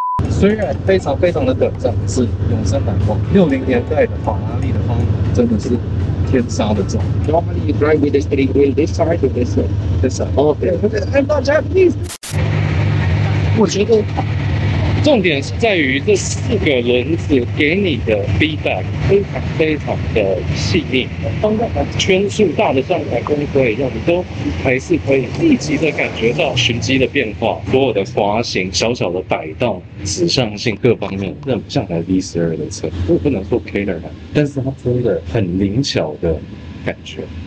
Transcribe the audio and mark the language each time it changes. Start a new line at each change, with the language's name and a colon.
Chinese: 虽然非常非常的短暂，是永生难忘。60年代的法拉利的风格真的是天杀的重。
English: Normally you drive with the steering wheel this side or this side? This side. Okay. I'm not Japanese.
Chinese: 我觉得重点是在于这4个轮子给你的 feedback 非常非常的细腻，放在圈数大的像台风车一样，你都还是可以立即的感觉到循迹的变化，所有的滑行、小小的摆动、指向性各方面，那不像台 V12 的车，我不能说 Killer 啦，但是它真的很灵巧的感觉。